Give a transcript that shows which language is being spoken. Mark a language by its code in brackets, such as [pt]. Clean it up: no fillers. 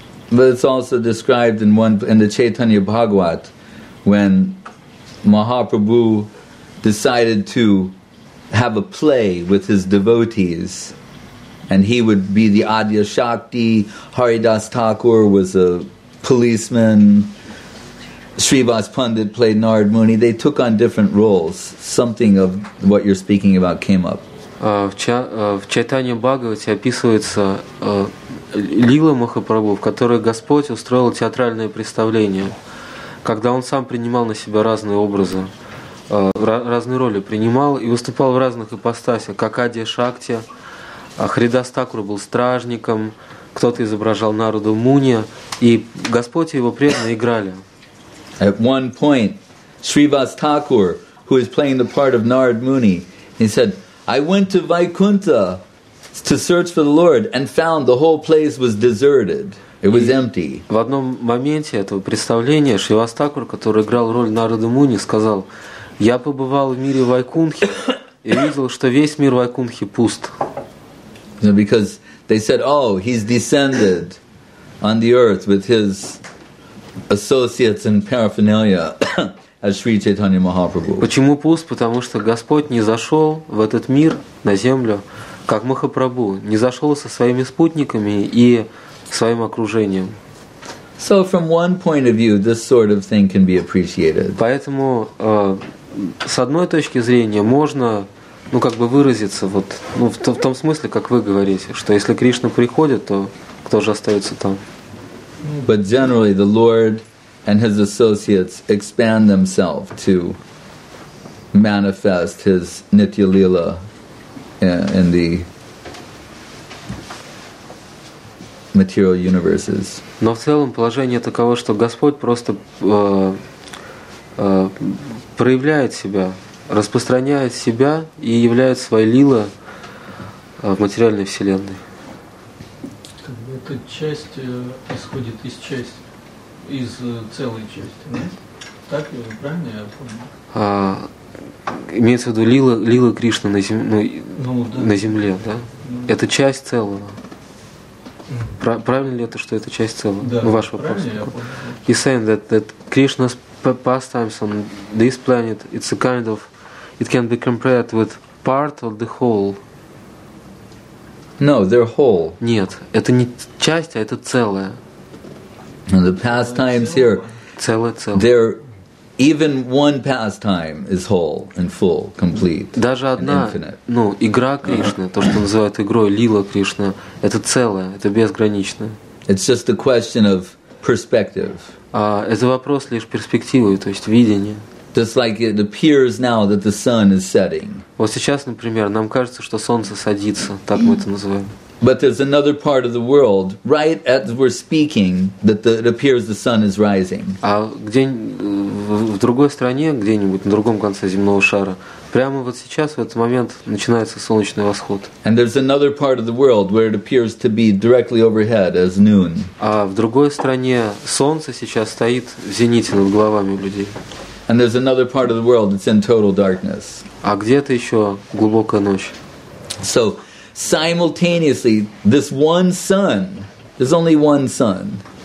[en] But it's also described in the Chaitanya Bhagavat, when Mahaprabhu decided to have a play with his devotees, and he would be the Adya Shakti, Haridas Thakur was a policeman, Srivas Pandit played Narad Muni. They took on different roles. Something of what you're speaking about came up. [ru] В Чайтанья Бхагавате описывается лила Махапрабху, в которой Господь устроил театральное представление, когда Он сам принимал на себя разные образы, разные роли принимал и выступал в разных ипостасях, как Адья Шакти, Харидас Такура был стражником, кто-то изображал Нараду Муни, и Господь и его преданные играли. [en] At one point, Шривас Такур, who is playing the part of Narad Muni, he said, I went to Vaikuntha to search for the Lord and found the whole place was deserted. It was empty. [ru] В одном моменте этого представления Шривас Такур, который играл роль Нарада Муни, сказал: "Я побывал в мире Вайкунхи и видел, что весь мир Вайкунхи пуст." [en] Because they said, "Oh, he's descended on the earth with his associates and paraphernalia." As Sri Chaitanya Mahaprabhu. [ru] Почему пуст? Потому что Господь не зашел в этот мир, на землю, как Махапрабху, не зашел со своими спутниками и своим окружением. [en] So from one point of view, this sort of thing can be appreciated. [ru] Поэтому с одной точки зрения можно, ну как бы выразиться вот, ну, в том смысле, как вы говорите, что если Кришна приходит, то кто же остается там? [en] But generally the Lord and his associates expand themselves to manifest his Nitya Lila in the material universes. [ru] Но в целом положение таково, что Господь просто проявляет себя, распространяет себя и являет свои лила в материальной вселенной. Как бы эта часть исходит из части. Из целой части, да? Так, правильно я понял? Имеется в виду лила Кришны на земле, на земле, да? Это часть целого. Правильно ли это, что это часть целого? Да. Ну, ваш вопрос. Правильно я понял. [en] He's saying that Krishna's pastimes on this planet, it's a kind of, it can be compared with part of the whole. No, they're whole. [ru] Нет, это не часть, а это целое. [en] And the pastimes here, they're even one pastime is whole and full, complete, [ru] даже одна, [en] and infinite. [ru] Ну, игра Кришны, то, что называют игрой, лила Кришны, это целое, это безграничное. [en] It's just a question of perspective. [ru] Это вопрос лишь перспективы, то есть видения. [en] Just like it appears now that the sun is setting. [ru] Вот сейчас, например, нам кажется, что солнце садится, так мы это называем. [en] But there's another part of the world, right as we're speaking, that it appears the sun is rising. [ru] А где в другой стране, где-нибудь на другом конце земного шара, прямо вот сейчас, в этот момент, начинается солнечный восход. [en] And there's another part of the world where it appears to be directly overhead as noon. [ru] А в другой стране солнце сейчас стоит в зените над головами людей. [en] And there's another part of the world that's in total darkness. [ru] А где-то еще глубокая ночь. [en] So, simultaneously, this one sun, there's only one sun.